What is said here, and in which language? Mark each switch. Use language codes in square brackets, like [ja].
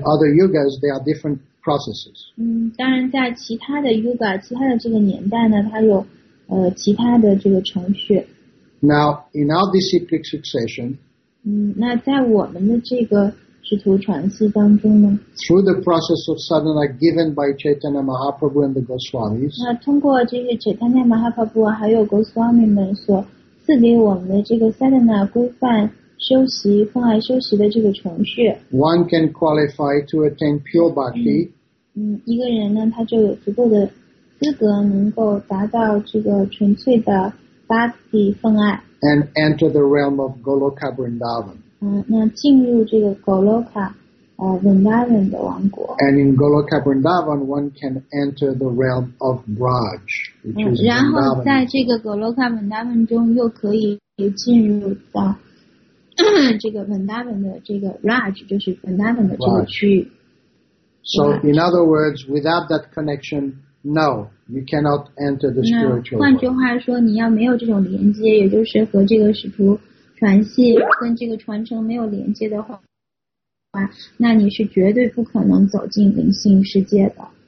[en] other yugas, there are different processes. [zh] 当然在其他的 yuga， 其他的这个年代呢，它有其他的这个程序。 [en] Now in our disciplic succession. [zh] 那在我们的这个使徒传系当中呢？ [en] Through the process of sadhana given by Chaitanya Mahaprabhu and the Goswamis. [zh] 那通过这些 Chaitanya Mahaprabhu 还有 Goswami 们所赐给我们的这个 sadhana 规范修习、奉爱修习的这个程序。 [en] One can qualify to attain pure bhakti. [zh] 一个人呢，他就有足够的资格能够达到这个纯粹的。 [en] And enter the realm of Goloka Vrindavan. [zh] 那进入这个 Goloka， Vrindavan 的王国。 [en] And in Goloka Vrindavan, one can enter the realm of Braj, which is Vrindavan. [zh] 然后在这个 Goloka Vrindavan 中又可以进入到这个 Vrindavan 的这个 Raj, 就是 Vrindavan 的这个区域。 [en] So in other words, without that connection, no, you cannot enter the spiritual world. [zh] 换句话说，你要没有这种连接，也就是和这个使徒传系跟这个传承没有连接的话，那你是绝对不可能走进灵性世界的。